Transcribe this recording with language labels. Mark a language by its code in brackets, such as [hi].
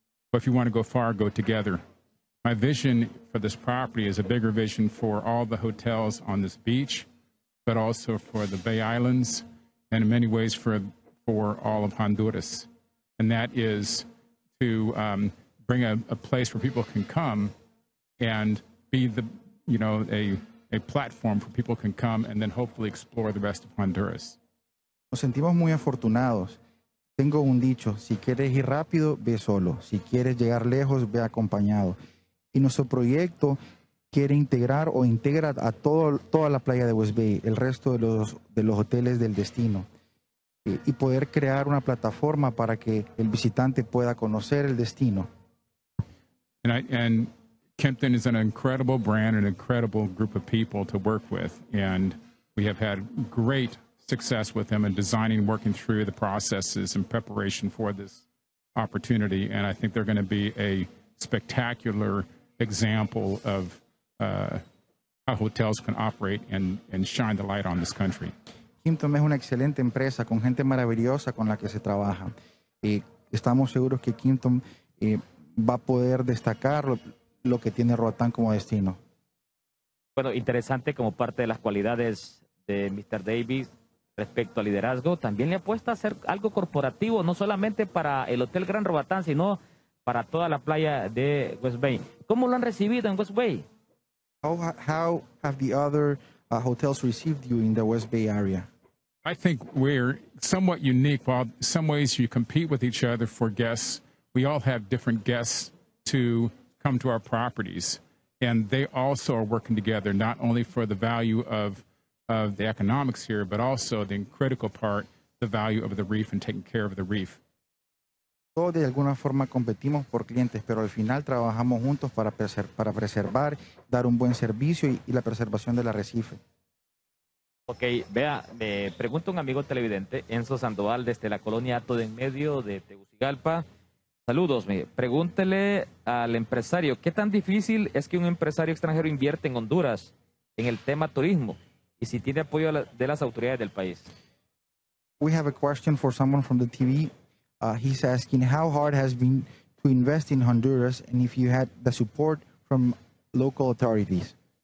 [en] But if you want to go far, go together. My vision for this property is a bigger vision for all the hotels on this beach, but also for the Bay Islands, and in many ways for all of Honduras. And that is to bring a place where people can come and be the, you know, a platform for people can come and then hopefully explore the rest of Honduras. [es] Nos sentimos muy afortunados. Tengo un dicho, si quieres ir rápido, ve solo. Si quieres llegar lejos, ve acompañado. Y nuestro proyecto quiere integrar o integra a toda la playa de West Bay, el resto de los hoteles del destino. Y poder crear una plataforma para que el visitante pueda conocer el destino. [en] And Kempton is an incredible brand, an incredible group of people to work with. And we have had great success with them in designing, working through the processes in preparation for this opportunity. And I think they're going to be a spectacular example of how hotels can operate and shine the light on this country. [es] Hinton es una excelente empresa con gente maravillosa con la que se trabaja. Estamos seguros que Hinton va a poder destacar lo que tiene Roatán como destino. Bueno, interesante, como parte de las cualidades de Mr. Davis respecto al liderazgo, también le apuesta a hacer algo corporativo, no solamente para el Hotel Gran Roatán, sino para toda la playa de West Bay. ¿Cómo lo han recibido en West Bay? [en] How have the other hotels received you in the West Bay area? I think we're somewhat unique. While in some ways you compete with each other for guests, we all have different guests to come to our properties. And they also are working together, not only for the value of the economics here, but also the critical part, the value of the reef and taking care of the reef. [es] Todos de alguna forma competimos por clientes, pero al final trabajamos juntos para preservar, dar un buen servicio y la preservación del arrecife. Ok, vea, me pregunta un amigo televidente, Enzo Sandoval, desde la colonia Hato de en medio de Tegucigalpa. Saludos, pregúntele al empresario, ¿qué tan difícil es que un empresario extranjero invierte en Honduras en el tema turismo y si tiene apoyo de las autoridades del país? [en] We have a question for someone from the TV. He's asking how hard has been to invest in Honduras and if you had the support from local authorities.